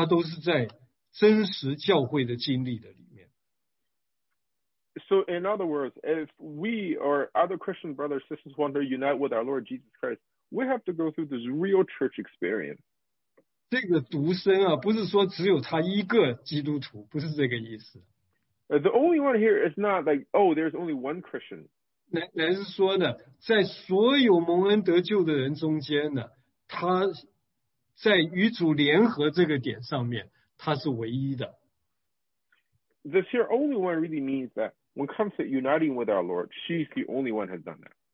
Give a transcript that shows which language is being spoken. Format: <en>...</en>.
<zh>所以今天一个人能够达到与主向主要与主联合的这个地步呢，他都是在真实教会的经历的里面。</zh> <en>So in other words, if we or other Christian brothers and sisters want to unite with our Lord Jesus Christ, we have to go through this real church experience.</en> <zh>这个独身啊, 不是说只有他一个基督徒, 不是这个意思。</zh> <en>The only one here is not like, oh, there's only one Christian.</en> <zh>乃是说呢, 在所有蒙恩得救的人中间呢, 他在与主联合这个点上面, 他是唯一的。</zh> <en>This here only one really means that when it comes to uniting with our Lord, she's the only one who has done that.</en>